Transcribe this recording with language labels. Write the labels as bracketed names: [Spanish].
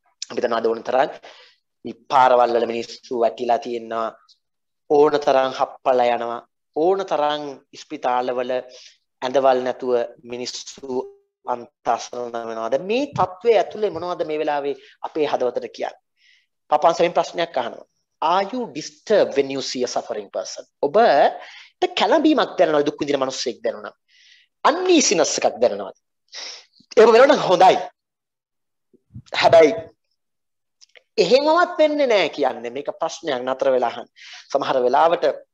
[Sinhala] අපි දන්නවා අද ඕනතරම් පාරවල් වල මිනිස්සු වැටිලා තියෙනවා. ඕනතරම් හප්පලා යනවා. ඕනතරම් ස්පිතාලවල ඇඳවල් නැතුව මිනිස්සු අන්තසරණ වෙනවා. දැන් මේ තත්ත්වයේ ඇතුලේ මොනවද මේ වෙලාවේ අපේ හදවතට කියන්නේ? පාප් වහන්සේ ප්‍රශ්නයක් අහනවා. [English] Are you disturbed when you see a suffering person? [Sinhala] ඔබ ද කැළඹීමක් දැනනවා දුක් විඳින මිනිස්සෙක් දැනුණා. අන්නීසිනස් එකක් දැනනවා. ඒක වෙනවන හොඳයි. හැබැයි එහෙමවත් වෙන්නේ නැහැ කියන්නේ මේක ප්‍රශ්නයක් නතර වෙලා අහන්න. සමහර වෙලාවට